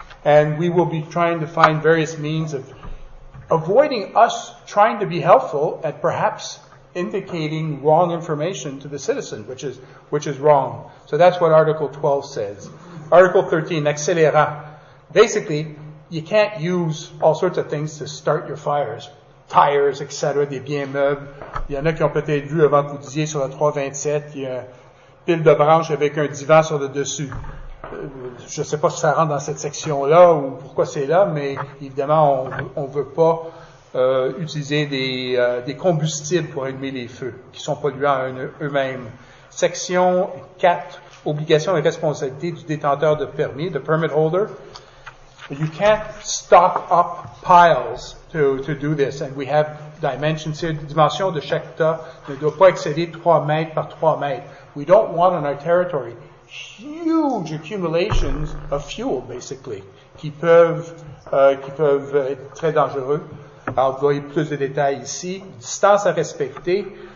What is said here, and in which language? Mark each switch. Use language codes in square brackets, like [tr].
[en] And we will be trying to find various means of avoiding us trying to be helpful and perhaps indicating wrong information to the citizen, which is wrong. So that's what Article 12 says. Article 13, accélérant. Basically, you can't use all sorts of things to start your fires. Tires, etc., [fr] des biens meubles. Il y en a qui ont peut-être vu avant que vous disiez sur la 327, il y a... pile de branches avec un divan sur le dessus. Je ne sais pas si ça rentre dans cette section-là ou pourquoi c'est là, mais évidemment, on ne veut pas utiliser des combustibles pour allumer les feux qui sont polluants eux-mêmes. Section 4, obligation et responsabilité du détenteur de permis, [en] the permit holder. You can't stock up piles to do this. And we have dimensions here. [fr] La dimension de chaque tas ne doit pas excéder 3 mètres par 3 mètres. [en] We don't want on our territory huge accumulations of fuel, basically, [fr] qui peuvent être très dangereux. Alors, vous voyez plus de détails ici. Distance à respecter.